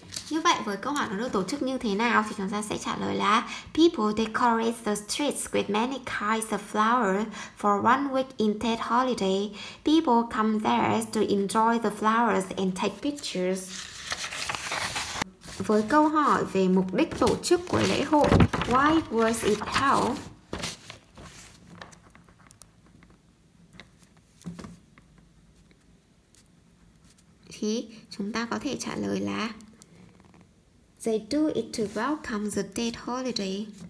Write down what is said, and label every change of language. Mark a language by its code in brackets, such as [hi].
[vi] Như vậy với câu hỏi nó được tổ chức như thế nào thì chúng ta sẽ trả lời là [en] people decorate the streets with many kinds of flowers for one week in Tết holiday. People come there to enjoy the flowers and take pictures. [vi] Với câu hỏi về mục đích tổ chức của lễ hội, [en] why was it held? [vi] Thì chúng ta có thể trả lời là [en] they do it to welcome the Tết holiday.